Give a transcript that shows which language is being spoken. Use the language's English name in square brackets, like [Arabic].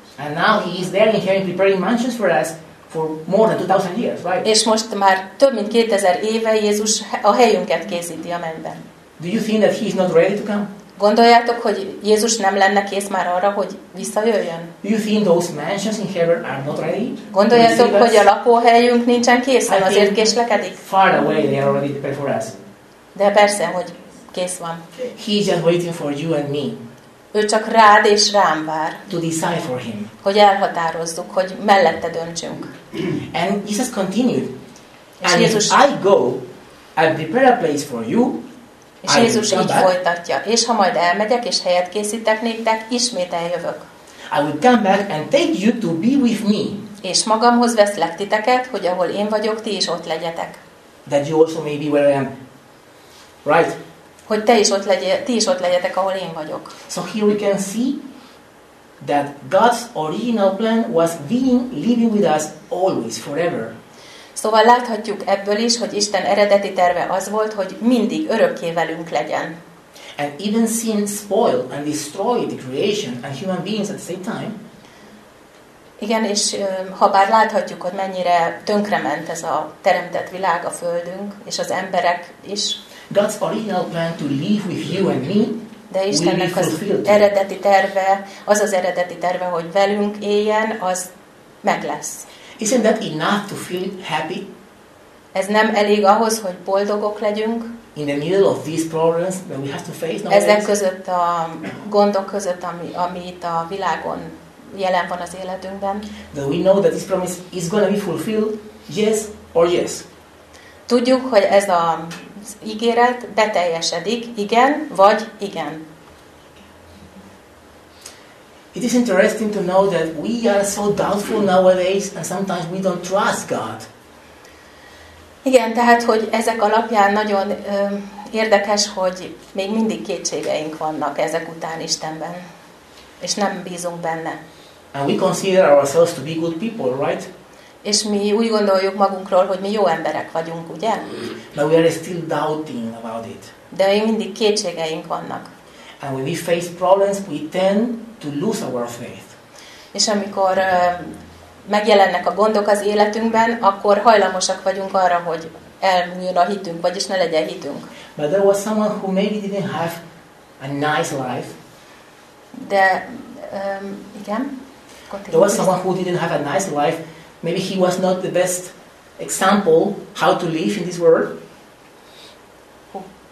[English] And now he is there in heaven preparing mansions for us for more than 2000 years, right? [Hungarian] És most már több mint 2000 éve Jézus a helyünket készíti a mennyben. [English] Do you think that he is not ready to come? [Hungarian] Gondoljátok, hogy Jézus nem lenne kész már arra, hogy visszajöjjön? [English] Do you think those mansions in heaven are not ready? [Hungarian] Gondoljátok, hogy a lakóhelyünk nincsen kész, azért késlekedik? [English] Far away they are already prepared for us. [Hungarian] De persze, hogy kész van. [English] He is just waiting for you and me. [Hungarian] Ő csak rád és rám vár. [English] To decide for him. [Hungarian] Hogy elhatározzuk, hogy mellette döntsünk. [English] And Jesus continued. And Jézus, if I go, I'll prepare a place for you. [Hungarian] És Jézus így folytatja. És ha majd elmegyek és helyet készítek néktek, ismét eljövök. [English] I will come back and take you to be with me. [Hungarian] És magamhoz veszlek titeket, hogy ahol én vagyok, ti is ott legyetek. [English] That you also may be where I am. Right? [Hungarian] Hogy te is ott legyél, ti is ott legyetek, ahol én vagyok. [English] So here we can see that God's original plan was being living with us always, forever. [Hungarian] Szóval láthatjuk ebből is, hogy Isten eredeti terve az volt, hogy mindig örökké velünk legyen. [English] And even sin spoiled and destroyed the creation and human beings at the same time. [Hungarian] Igen, és ha bár láthatjuk, hogy mennyire tönkrement ez a teremtett világ, a Földünk, és az emberek is. [English] God's original plan to live with you and me. [Hungarian] De Istennek az eredeti terve, az az eredeti terve, hogy velünk éljen, az meg lesz. [English] Isn't that enough to feel happy? [Hungarian] Ez nem elég ahhoz, hogy boldogok legyünk. [English] In the middle of these problems that we have to face nowadays. [Hungarian] Ezek között a gondok között, ami itt a világon jelen van az életünkben. [English] That we know that this promise is going to be fulfilled, yes or yes. [Hungarian] Tudjuk, hogy ez a ígéret beteljesedik, igen vagy igen. [English] It is interesting to know that we are so doubtful nowadays, and sometimes we don't trust God. [Hungarian] Igen, tehát hogy ezek alapján nagyon érdekes, hogy még mindig kétségeink vannak ezek után Istenben, és nem bízunk benne. [English] And we consider ourselves to be good people, right? [Hungarian] És mi úgy gondoljuk magunkról, hogy mi jó emberek vagyunk, ugye? [English] But we are still doubting about it. [Hungarian] De még mindig kétségeink vannak. [English] And when we face problems, we tend to lose our faith. [Hungarian] És amikor megjelennek a gondok az életünkben, akkor hajlamosak vagyunk arra, hogy elmúljon a hitünk, vagyis ne legyen hitünk. [English] But there was someone who maybe didn't have a nice life. [Hungarian] De igen. [English] There was someone who didn't have a nice life. Maybe he was not the best example how to live in this world. Who?